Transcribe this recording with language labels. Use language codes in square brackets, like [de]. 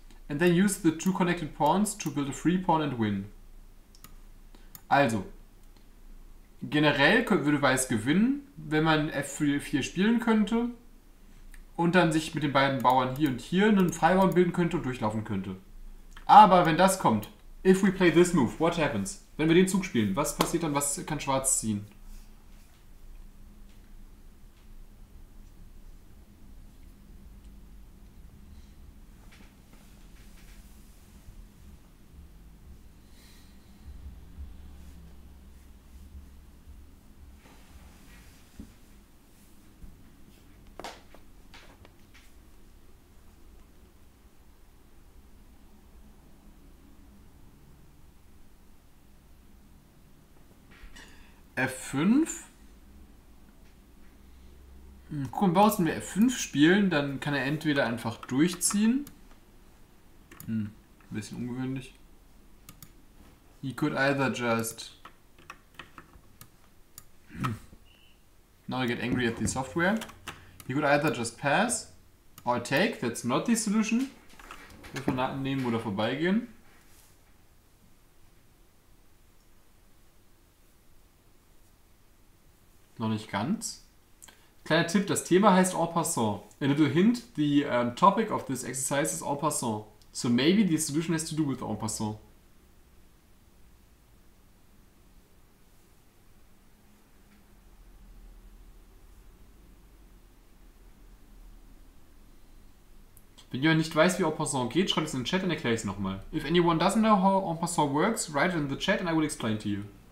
[en] And then use the two connected pawns to build a free pawn and win. [de] Also, generell würde Weiß gewinnen, wenn man F4 spielen könnte und dann sich mit den beiden Bauern hier und hier einen Freibauern bilden könnte und durchlaufen könnte. Aber wenn das kommt, [en] if we play this move, what happens? [de] Wenn wir den Zug spielen, was passiert dann? Was kann Schwarz ziehen? F5. Guck mal, Boris, wenn wir F5 spielen, dann kann er entweder einfach durchziehen. Ein bisschen ungewöhnlich. [en] He could either just now I get angry at the software. He could either just pass or take. That's not the solution. [de] Wir von nehmen oder vorbeigehen. Noch nicht ganz. Kleiner Tipp, das Thema heißt en passant. [en] A little hint, the topic of this exercise is en passant. So maybe the solution has to do with en passant. [de] Wenn jemand nicht weiß, wie en passant geht, schreibt es in den Chat und erkläre ich es nochmal. [en] If anyone doesn't know how en passant works, write it in the chat and I will explain to you.